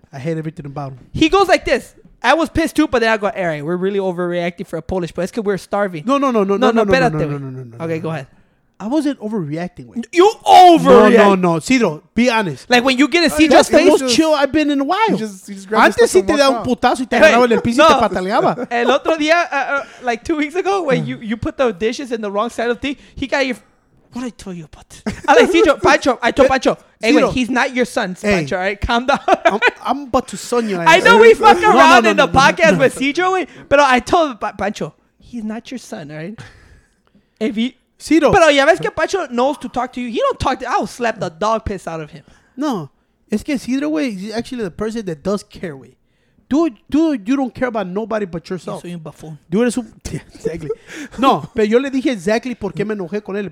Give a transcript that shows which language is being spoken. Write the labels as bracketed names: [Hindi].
[English] I hate everything about him. He goes like this. I was pissed too, but then I go, all right, we're really overreacting for a Polish, but it's because we're starving. No. Okay, go ahead. I wasn't overreacting. You overreact. No. Cedro, be honest. Like when you get a Cedro face. That's the most chill I've been in a while. [Spanish] Antes sí te daba un putazo y te agarraba el piso y te pataleaba. El otro día, [English] like 2 weeks ago, when you put the dishes in the wrong side of the thing, he got your What did I tell you about this? I'm like, Cicho, Pancho, I told Pancho, hey, wait, he's not your son, Pancho, all right? Calm down. I'm about to son you. I know we fuck around in the podcast with Cicho, but I told Pancho, he's not your son, all right? If he... Cito. [Spanish] Pero ya ves que [English] Pancho knows to talk to you. He don't talk to... I will slap the dog piss out of him. No. [Spanish] Es que [English] Cito, wey, is actually the person that does care, wey. Dude, you don't care about nobody but yourself. [Spanish] Yo soy un buffoon. [English] Dude, [Spanish] eres un... [English] exactly. [Spanish] No, pero yo le dije exactly por qué me enojé con él.